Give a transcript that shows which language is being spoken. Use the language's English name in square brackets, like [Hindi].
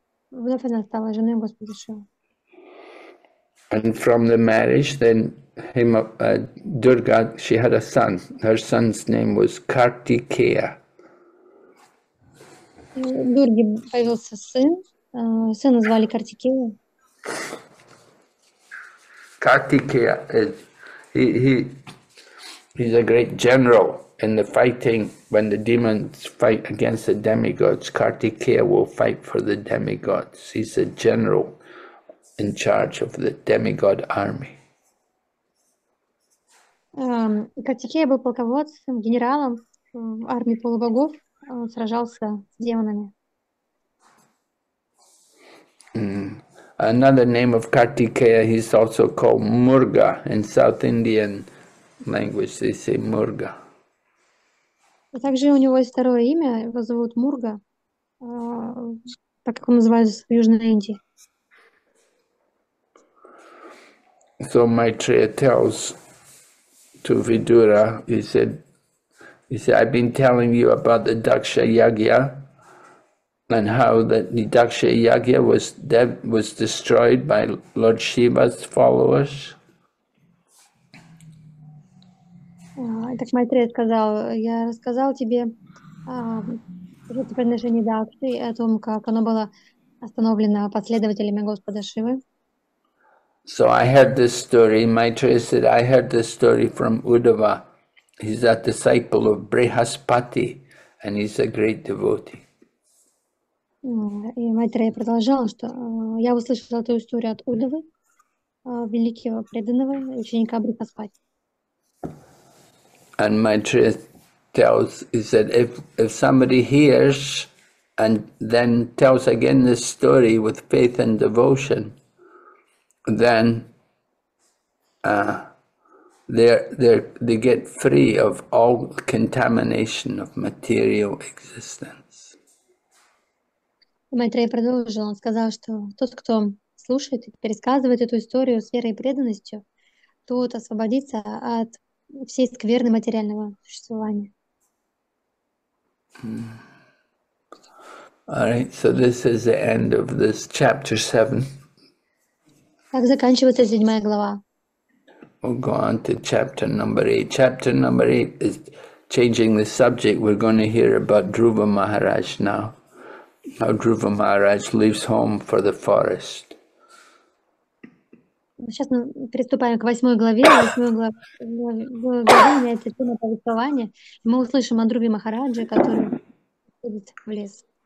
[Russian] Вновь она стала женой Господа Шивы. [English] And from the marriage, then Durga, she had a son. Her son's name was Kartikeya. [Russian] Дурги появился сын. Сына звали Картикея. [English] Kartikeya is he's a great general in the fighting. When the demons fight against the demigods, Kartikeya will fight for the demigods. He's a general in charge of the demigod army. [Russian] Картикея был полководцем, генералом армии полубогов, он сражался с демонами. [English] Another name of Kartikeya, he's also called Murga. In South Indian language, they say Murga. [Russian] Также у него есть второе имя, его зовут Мурга, так как он называется в Южной Индии. [English] So Maitreya tells to Vidura, he said, I've been telling you about the Daksha Yagya and how that the Daksha Yagya was destroyed by Lord Shiva's followers. [Russian] Так Майтрея сказал, я рассказал тебе о приношении Дакши, о том, как оно было остановлено последователями Господа Шивы. [English] So I heard this story, Maitreya said, I heard this story from Uddhava. He's a disciple of Brihaspati, and he's a great devotee. [Russian] И Майтрея продолжал, что я услышал эту историю от Уддавы, великого преданного ученика Брихаспати. [English] And Maitreya tells, he said, if somebody hears and then tells again this story with faith and devotion, then they get free of all contamination of material existence. [Russian] Майтрея продолжил, он сказал, что тот, кто слушает и пересказывает эту историю с верой и преданностью, тот освободится от всей скверны материального существования. [English] All right, so this is the end of this chapter 7. [Russian] Так заканчивается седьмая глава. [English] We'll go on to chapter number 8. Chapter number 8 is changing the subject. We're going to hear about Dhruva Maharaj now. How Dhruva Maharaj leaves home for the forest. [Russian] Сейчас мы переступаем к восьмой главе. В восьмой главе меняется тема повествования. Мы услышим о Друве Махарадже, который уходит в лес.